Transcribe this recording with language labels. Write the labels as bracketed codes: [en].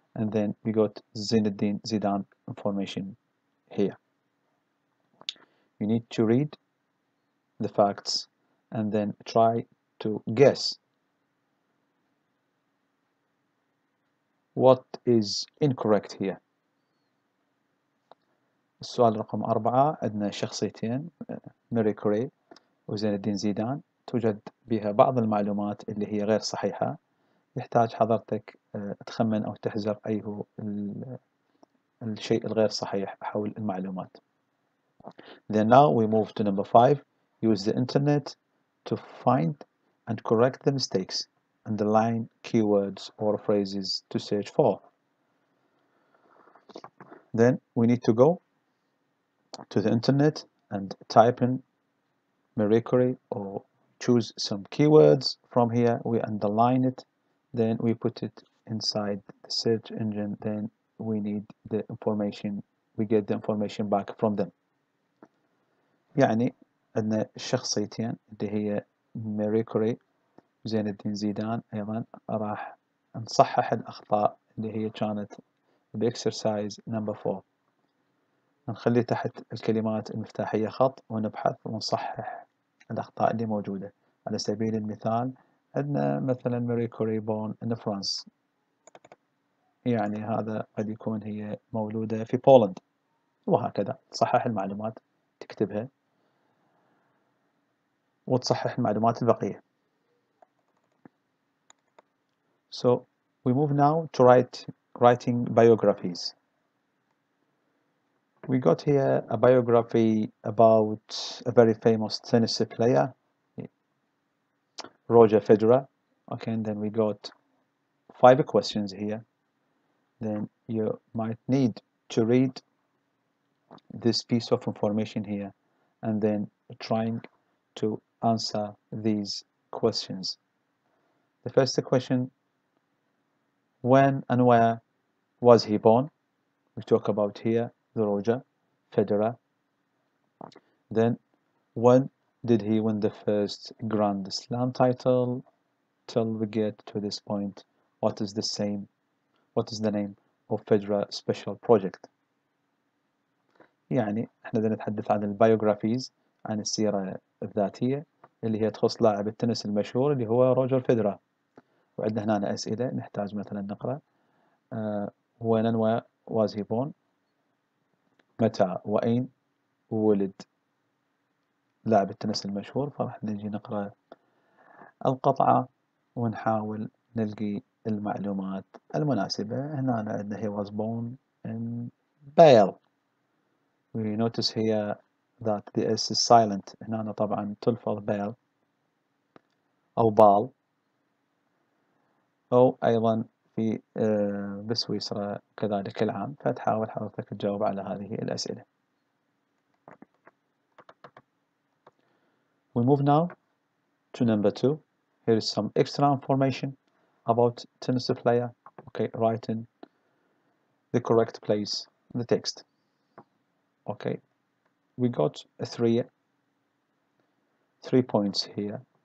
[en] And then we got Zinedine Zidane information here. You need to read the facts and then try to guess what is incorrect here. [ar] السؤال رقم 4، عندنا شخصيتين ماري كوري وزين الدين زيدان توجد بها بعض المعلومات اللي هي غير صحيحة. يحتاج حضرتك تخمن أو تحذر أي هو الشيء الغير صحيح حول المعلومات. [en] Then now we move to number 5. Use the internet to find and correct the mistakes. Underline keywords or phrases to search for. Then we need to go to the internet and type in Marie Curie or choose some keywords from here. We underline it. Then we put it inside the search engine. Then we need the information. We get the information back from them. [ar] يعني عندنا شخصيتين اللي هي ماري كوري وزين الدين زيدان. أيضا راح نصحح الأخطاء اللي هي كانت [en] بإكسرسايز نمبر [ar] 4. نخلي تحت الكلمات المفتاحية خط ونبحث ونصحح الأخطاء اللي موجودة. على سبيل المثال عندنا مثلا ماري كوري [en] born in France, [ar] يعني هذا قد يكون هي مولودة في بولند، وهكذا. تصحح المعلومات تكتبها وتصحح المعلومات البقية. [en] So we move now to writing biographies. We got here a biography about a very famous tennis player, Roger Federer. Okay, and then we got 5 questions here. then you might need to read this piece of information here and then trying to answer these questions. The first question, when and where was he born? We talk about here the Roger Federer. Then, when did he win the first Grand Slam title? Till we get to this point, what is the same? What is the name of Federer special project? [ar] يعني احنا دا نتحدث عن البيوغرافيز عن السيرة الذاتية اللي هي تخص لاعب التنس المشهور اللي هو روجر فيدرا. وعندنا هنا أسئلة نحتاج مثلا نقرأ [en] when and where was he born, [ar] متى وأين ولد لاعب التنس المشهور. فراح نجي نقرأ القطعة ونحاول نلقي المعلومات المناسبة. هنا عندنا [en] he was born in Bale. We notice here that the S is silent. [ar] هنا طبعا تلفظ بال أو بال أو أيضا في بسويسرا كذلك العام. فتحاول حضرتك تجاوب على هذه الأسئلة. [en] We move now to number two. Here is some extra information about tennis player. Okay, write in the correct place in the text. Okay, we got a three points here.